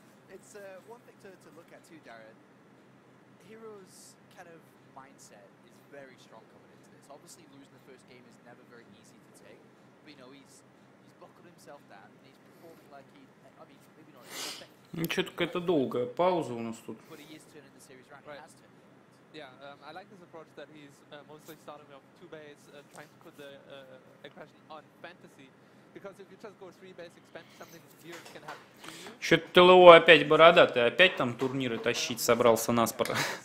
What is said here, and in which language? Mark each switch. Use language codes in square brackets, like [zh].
[en] It's one thing to look at too, Darren. Hero's kind of mindset is very strong coming into this. Obviously, losing the first game is never very easy to take, but you know, he's buckled himself down, and he's performing like he... I mean, maybe not... [ru] Ну, что-то какая-то долгая пауза у нас тут. [en] But he is turning the series around. Right. He has to. Yeah, I like this approach that he's mostly starting off two base, trying to put the aggression on Fantasy, because if you just go three base expense, something weird can happen to you. [ru] Что-то ТЛО опять бородатый, опять там турниры тащить собрался наспоро.